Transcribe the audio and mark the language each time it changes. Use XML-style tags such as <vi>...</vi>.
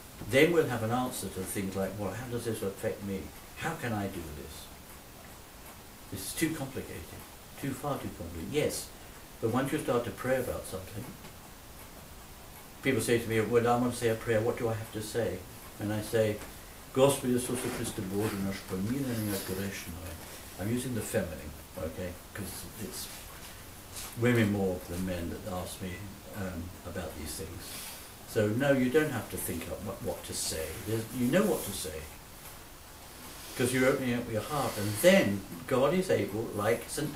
<en>Then we'll have an answer to things like, well, how does this affect me? How can I do this? This is too complicated, too complicated. Yes, but once you start to pray about something, people say to me, well, I want to say a prayer, what do I have to say? And I say,</en> <ru>Господи Иисусе Христе, Боже наш, помилуй меня грешного.</ru> <en>I'm using the feminine, okay, because it's women more than men that ask me about these things. So no, you don't have to think up what to say. You know what to say, because you're opening up your heart, and then God is able, like St.</en>